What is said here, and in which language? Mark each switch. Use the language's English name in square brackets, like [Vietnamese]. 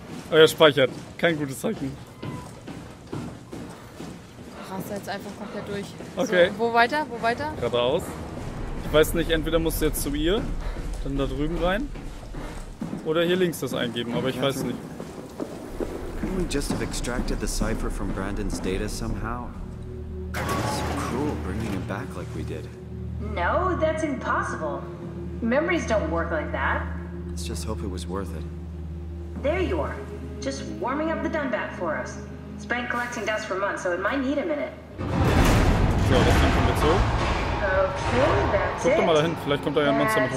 [German] Oh, er speichert. Kein gutes Zeichen. Rast jetzt einfach komplett durch. Okay. So, wo weiter? Geradeaus. Ich weiß nicht, entweder musst du jetzt zu ihr, dann da drüben rein. Oder hier links das eingeben, aber ich weiß nicht. [English] Couldn't we just have extracted the cipher from Brandon's data somehow? It's so cruel bringing him back like we did. No, that's impossible. Memories don't work like that. Let's just hope it was worth it. There you are. Just warming up the Dunbat for us. It's been collecting dust for months, so it might need a minute. [German] So, das ist einfach mit so. [English] Okay, that's [German] it. Guck doch mal dahin, vielleicht kommt da ja ein Monster mit hoch.